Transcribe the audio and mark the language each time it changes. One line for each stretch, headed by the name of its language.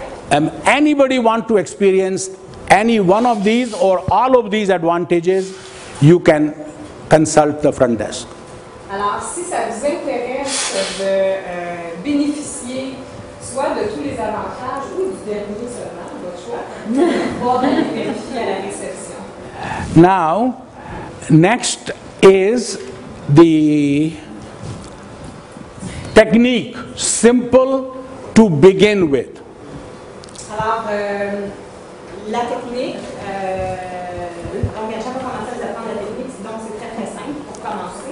English: Anybody want to experience any one of these or all of these advantages, you can consult the front desk.
French: Alors, si ça vous intéresse de bénéficier soit de tous les avantages ou du dernier seulement, votre choix, vous pouvez aller vérifier à la réception.
English: Now, next is the technique, simple to begin with.
French: Alors, la technique, donc, j'ai pas commencé à vous apprendre la technique, donc c'est très très simple pour commencer.